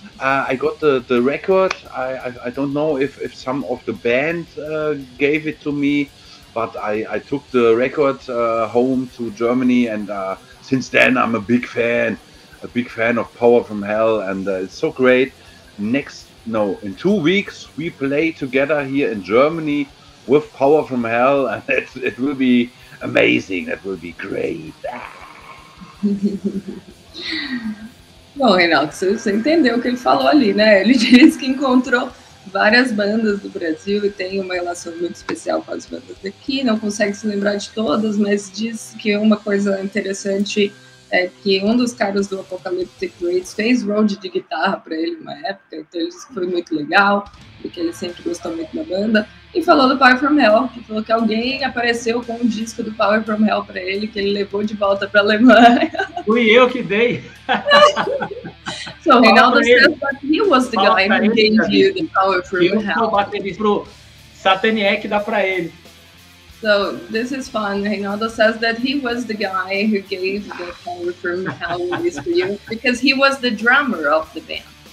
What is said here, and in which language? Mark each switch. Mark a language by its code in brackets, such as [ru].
[en] I got the record. I don't know if some of the band gave it to me, but I took the record home to Germany, and since then I'm a big fan of Power from Hell, and it's so great. In 2 weeks we play together here in Germany with Power from Hell, and it will be amazing, that will be great. [pt] Bom, Reinaldo, você entendeu o que ele falou ali, né? Ele disse que encontrou várias bandas do Brasil e tem uma relação muito especial com as bandas daqui, não consegue se lembrar de todas, mas diz que uma coisa interessante é que um dos caras do Apocalyptic Raids fez road de guitarra para ele uma época, então ele disse que foi muito legal, porque ele sempre gostou muito da banda. e falou do Power From Hell, que falou que alguém apareceu com um disco do Power From Hell pra ele, que ele levou de volta pra Alemanha. Fui eu que dei. [en] So, Reinaldo says that he was the guy who gave you the Power From [pt] eu [en] Hell. [pt] Eu sou baterista pro Sataniek, dá pra ele. [en] So, this is fun. Reinaldo says that he was the guy who gave the Power From Hell for you, because he was the drummer of the band.